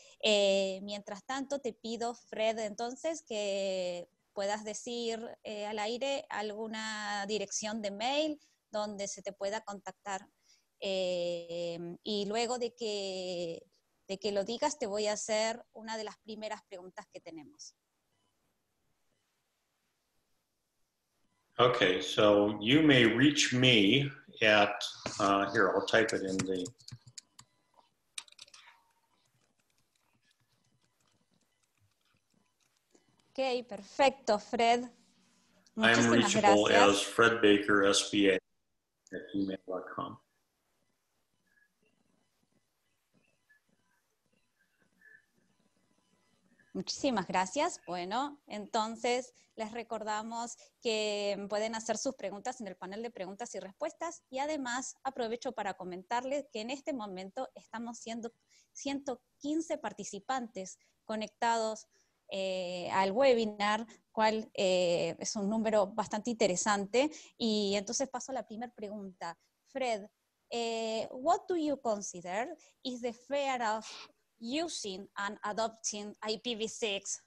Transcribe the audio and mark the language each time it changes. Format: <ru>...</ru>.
<es>Mientras tanto, te pido, Fred, entonces que puedas decir al aire alguna dirección de mail donde se te pueda contactar. Y luego de que lo digas, te voy a hacer una de las primeras preguntas que tenemos.</es> <en>Okay, so you may reach me at, here, I'll type it in the...</en> <es>Okay, perfecto, Fred.</es> <en>I am reachable as fredbakersba@gmail.com.</en> <es>Muchísimas gracias. Bueno, entonces les recordamos que pueden hacer sus preguntas en el panel de preguntas y respuestas. Y además aprovecho para comentarles que en este momento estamos siendo 115 participantes conectados al webinar, cual es un número bastante interesante. Y entonces paso a la primera pregunta.</es> <en>Fred, what do you consider is the fear of using and adopting IPv6?</en>